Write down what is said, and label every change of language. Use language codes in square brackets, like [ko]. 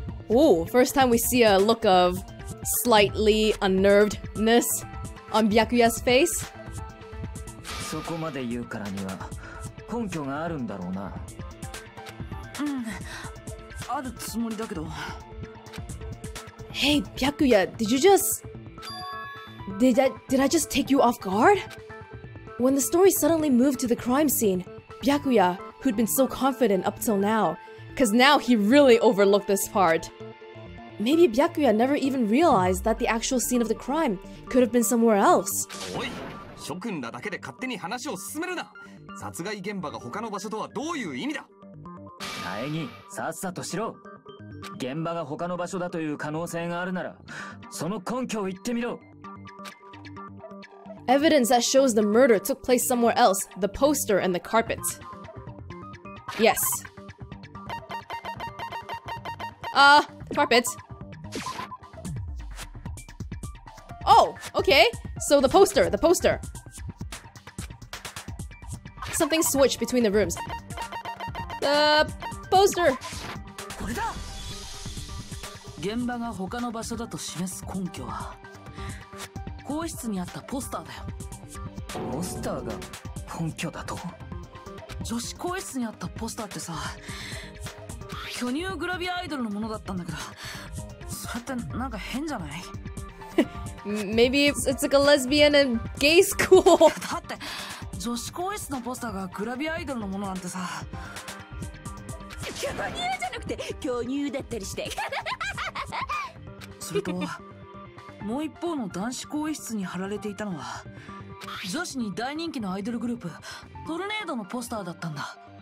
[en] Oh, first time we see a look of slightly unnervedness on Byakuya's face. [ja] そこまで言うからには根拠があるんだろうな。うん、あるつもりだけど。 [en] Hey, Byakuya, did I just take you off guard? When the story suddenly moved to the crime scene, Byakuya, who'd been so confident up till now, cause now he really overlooked this part. Maybe Byakuya never even realized that the actual scene of the crime could have been somewhere else. [ja] Oi! Shokun らだけで勝手に話を進めるな! 殺害現場が他の場所とはどういう意味だ? Naegi, さっさとしろ! 現場が他の場所だという可能性があるなら、その根拠を言ってみろ! [en] Evidence that shows the murder took place somewhere else, the poster and the carpet. Yes. Carpet. Oh, okay. So the poster. Something switched between the rooms. The poster. [ja] これだ。現場が他の場所だと示す根拠は、更衣室にあったポスターだよ。ポスターが根拠だと。女子更衣室にあったポスターってさ。巨乳グラビアアイドルのものだったんだけど、それってなんか変じゃない [en] Maybe it's like a lesbian and gay school. [ja] だって、女子更衣室のポスターがグラビアアイドルのものなんてさ。巨乳じゃなくて、巨乳だったりして。それと、もう一方の男子更衣室に貼られていたのは、女子に大人気のアイドルグループ、トルネードのポスターだったんだ。